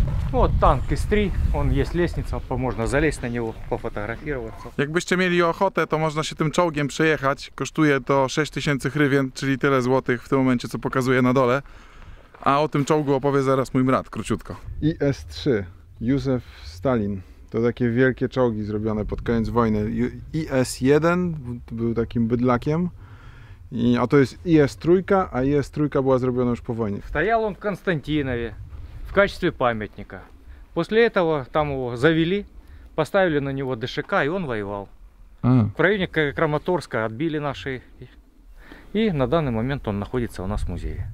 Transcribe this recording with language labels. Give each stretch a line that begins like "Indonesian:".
Russian: Вот танк Истри, он есть лестница, можно залезть на него, пофотографироваться.
Polish: Jakbyście mieli ochotę, to można się tym czołgiem przejechać. Kosztuje to 6000 hrywien, czyli tyle złotych w tym momencie, co pokazuję na dole. A o tym czołgu opowie zaraz mój brat, króciutko. IS-3, Józef Stalin. To takie wielkie czołgi zrobione pod koniec wojny. IS-1 był takim bydlakiem. A to jest IS-3, a IS-3 była zrobiona już po wojnie. Stajał on w Konstantinowie.
Russian: В качестве памятника. После этого там его завели, поставили на него ДШК, и он воевал. В районе Краматорска отбили наши. И на данный момент он находится у нас в музее.